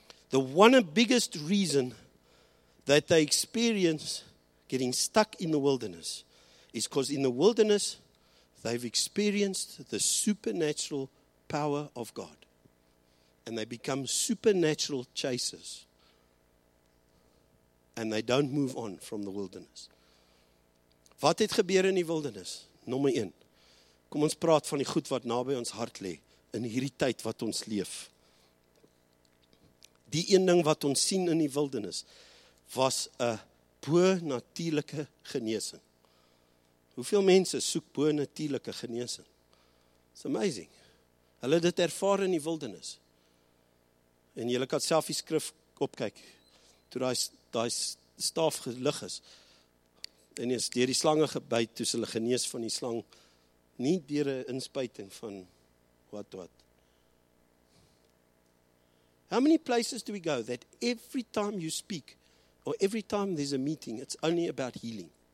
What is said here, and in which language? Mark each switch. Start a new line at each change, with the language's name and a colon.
English: The one biggest reason that they experience getting stuck in the wilderness is because in the wilderness, they've experienced the supernatural power of God. And they become supernatural chasers. And they don't move on from the wilderness.
Afrikaans: Wat het gebeur in die wildernis? Nommer 1. Kom ons praat van die goed wat naby ons hart lê in hierdie tyd wat ons leef. Die een ding wat ons sien in die wildernis was 'n bo-natuurlike genesing. Hoeveel mense soek bo-natuurlike genesing?
English: It's amazing.
Afrikaans: Hulle het dit ervaar in die wildernis. En jy kan self die skrif opkyk toe daai staaf gelig is. En jy is deur die slange gebyt toe hulle genees van die slang, nie deur 'n inspuiting van wat.
English: How many places do we go that every time you speak or every time there's a meeting, it's only about healing?